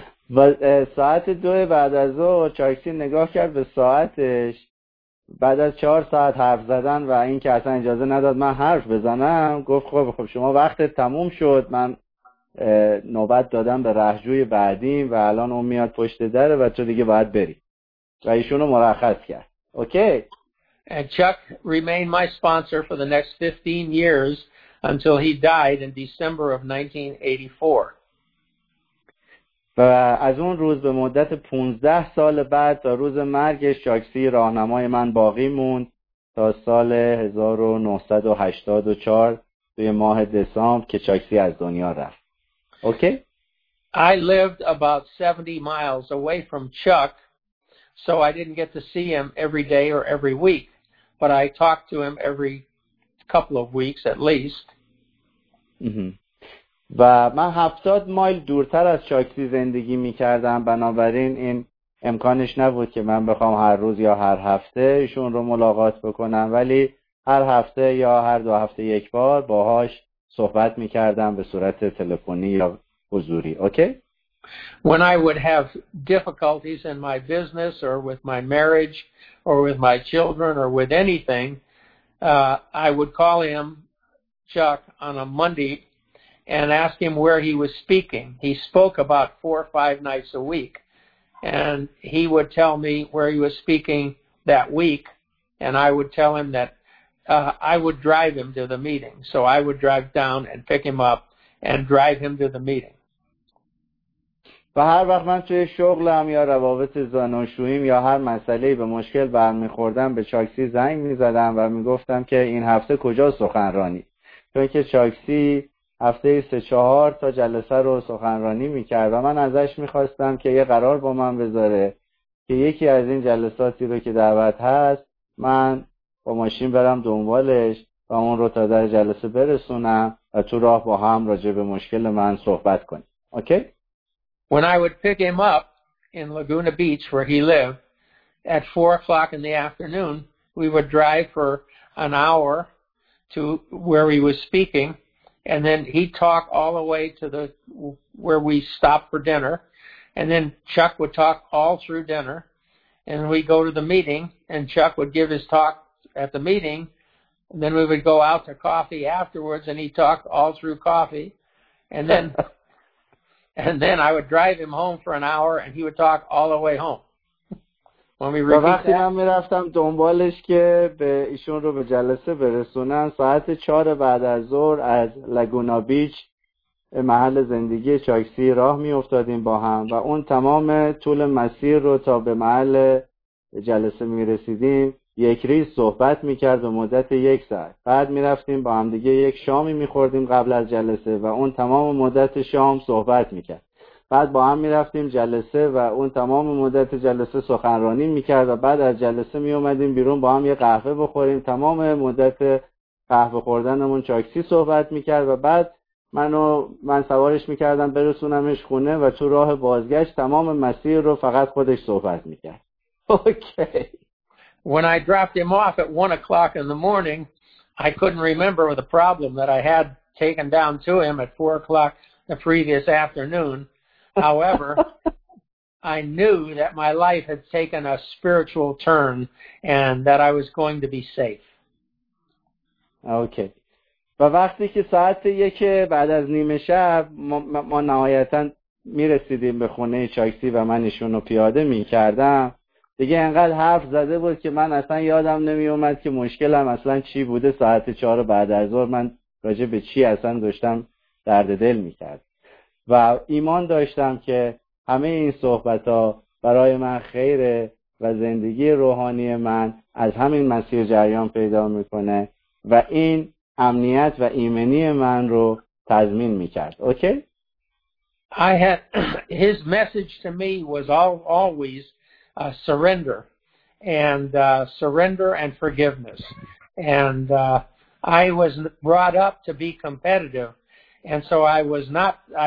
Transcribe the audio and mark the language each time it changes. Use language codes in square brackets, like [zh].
[fa] But ساعت 2 بعد از ظهر چاکسی نگاه کرد به ساعتش بعد از 4 ساعت حرف زدن و این که اصلا اجازه نداد من حرف بزنم گفت خب شما وقتت تموم شد من نوبت دادم به رهجوی بعدیم و الان اون میاد پشت دره و تو دیگه باید بری و ایشونو مرخص کرد. [en] Okay. And Chuck remained my sponsor for the next 15 years until he died in December of 1984. [fa] و از اون روز به مدت 15 سال بعد تا روز مرگش چاکسی راهنمای من باقی موند تا سال 1984 توی ماه دسامبر که چاکسی از دنیا رفت. [en] Okay. I lived about 70 miles away from Chuck, so I didn't get to see him every day or every week, but I talked to him every couple of weeks at least. [fa] و من 70 مایل دورتر از چاکسی زندگی می‌کردم، بنابراین این امکانش نبود که من بخوام هر روز یا هر هفته ایشون رو ملاقات بکنم، ولی هر هفته یا هر دو هفته یک بار باهاش صحبت می‌کردم به صورت تلفنی یا حضوری. [en] Okay? When I would have difficulties in my business or with my marriage or with my children or with anything, I would call him Chuck on a Monday and ask him where he was speaking. He spoke about 4 or 5 nights a week and he would tell me where he was speaking that week and I would tell him that I would drive him to the meeting. So I would drive down and pick him up and drive him to the meeting. [fa] و هر وقت من توی شغلم یا روابط زناشوییم یا هر مسئله‌ای به مشکل برمی‌خوردم به چاکسی زنگ می‌زدم و می‌گفتم که این هفته کجا سخنرانی؟ چون که چاکسی هفته 3-4 تا جلسه رو سخنرانی می‌کرد و من ازش می‌خواستم که یه قرار با من بذاره که یکی از این جلساتی رو که دعوت هست من با ماشین برم دنبالش و اون رو تا در جلسه برسونم و تو راه با هم راجع به مشکل من صحبت کنیم. [en] Okay? When I would pick him up in Laguna Beach where he lived at 4 o'clock in the afternoon, we would drive for an hour to where he was speaking and then he'd talk all the way to the where we stopped for dinner and then Chuck would talk all through dinner and we'd go to the meeting and Chuck would give his talk at the meeting, and then we would go out to coffee afterwards, and he talked all through coffee, and then I would drive him home for an hour, and he would talk all the way home. When we repeat that. [fa] من می‌رفتم دنبالش که به ایشون رو به جلسه برسونم. ساعت 4 بعد از ظهر از لاگونا بیچ محل زندگی چاکسی راه می‌افتادیم با هم، و اون تمام طول مسیر رو تا به محل جلسه می‌رسیدیم یک ریز صحبت میکرد به مدت 1 ساعت. بعد میرفتیم با همدیگه یک شامی میخوردیم قبل از جلسه و اون تمام مدت شام صحبت میکرد. بعد با هم میرفتیم جلسه و اون تمام مدت جلسه سخنرانی میکرد و بعد از جلسه میومدیم بیرون با هم یه قهوه بخوریم. تمام مدت قهوه خوردنمون چاکسی صحبت میکرد و بعد من سوارش میکردم برسونمش خونه و تو راه بازگشت تمام مسیر رو فقط خودش صحبت میکرد. [en] Okay. When I dropped him off at 1 o'clock in the morning, I couldn't remember the problem that I had taken down to him at 4 o'clock the previous afternoon. However, I knew that my life had taken a spiritual turn and that I was going to be safe. Okay. [fa] و وقتی که ساعت 1 بعد از نیمه شب ما نهایتاً میرسیدیم به خونه چاکسی و من ایشون رو پیاده میکردم، دیگه انقدر حرف زده بود که من اصلا یادم نمی اومد که مشکلم اصلا چی بوده. ساعت 4 بعد از ظهر من راجع به چی اصلا داشتم درد دل می کرد و ایمان داشتم که همه این صحبت ها برای من خیره و زندگی روحانی من از همین مسیر جریان پیدا می کنه و این امنیت و ایمنی من رو تضمین می کرد. اوکی؟ [en] I had his message to me was always surrender and surrender and forgiveness. And I was brought up to be competitive, and so I was not.